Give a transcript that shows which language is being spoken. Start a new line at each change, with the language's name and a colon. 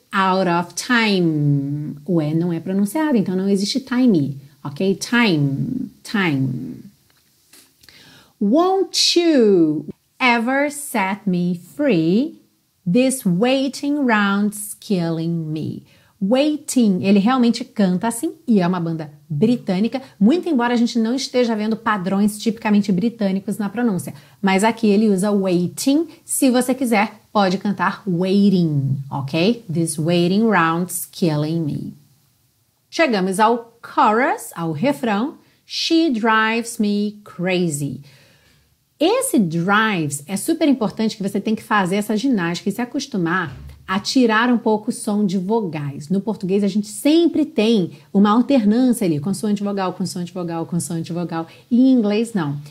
English: out of time.
Portuguese: O E não é pronunciado, então não existe time, ok?
English: Time, time. Won't you ever set me free? This waiting round's killing me.
Portuguese: Waiting, ele realmente canta assim, e é uma banda britânica, muito embora a gente não esteja vendo padrões tipicamente britânicos na pronúncia. Mas aqui ele usa waiting. Se você quiser, pode cantar waiting, ok?
English: This waiting round's killing me.
Portuguese: Chegamos ao chorus, ao refrão.
English: She drives me crazy.
Portuguese: Esse drives é super importante, que você tem que fazer essa ginástica e se acostumar a tirar um pouco o som de vogais. No português, a gente sempre tem uma alternância ali, consoante vogal, consoante vogal, consoante vogal. E em inglês, não.